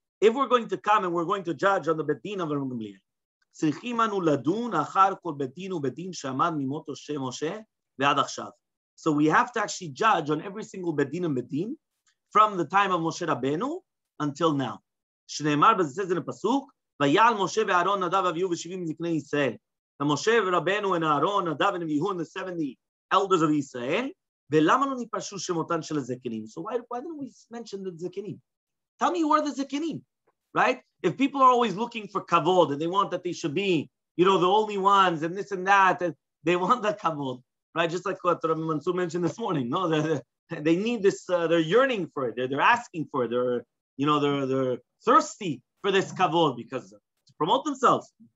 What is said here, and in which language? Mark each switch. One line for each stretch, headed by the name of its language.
English: If we're going to come and we're going to judge on the bedin of Rabban Gamliel, so we have to actually judge on every single bedin and bedin from the time of Moshe Rabbeinu until now. It says in the pasuk,
Hebrew: ויעל משה ואהרון נדב ואביהו ושבעים זקני ישראל. ומשה ורבנו הן אהרון נדב הן אביהו
English: the 70 elders of Israel.
Hebrew: ולמה לא נפרשו שמותן של הזקנים?
English: So why didn't we mention the זקנים? Tell me who are the זקנים, right? If people are always looking for kavod and they want that they should be, you know, the only ones and this and that, and they want the kavod, right? Just like what Rabbi Mansur mentioned this morning. No, they need this, they're yearning for it. They're asking for it. They're, you know, they're thirsty for this kavod because to promote themselves.